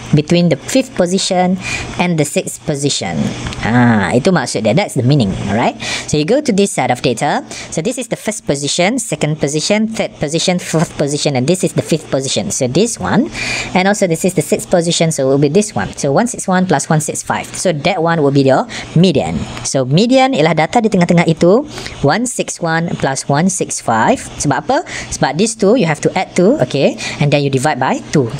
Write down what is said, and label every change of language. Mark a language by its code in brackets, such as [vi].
[en] Between the 5th position and the 6th position. Itu maksudnya. That's the meaning, alright? So, you go to this set of data. So, this is the 1st position, 2nd position, 3rd position, 4th position, and this is the 5th position. So, this one. And also, this is the 6th position. So it will be this one. So 161 plus 165. So that one will be your median. [ms] So median ialah data di tengah-tengah itu, 161 plus 165. Sebab apa? [en] Sebab this two you have to add two, okay? And then you divide by two.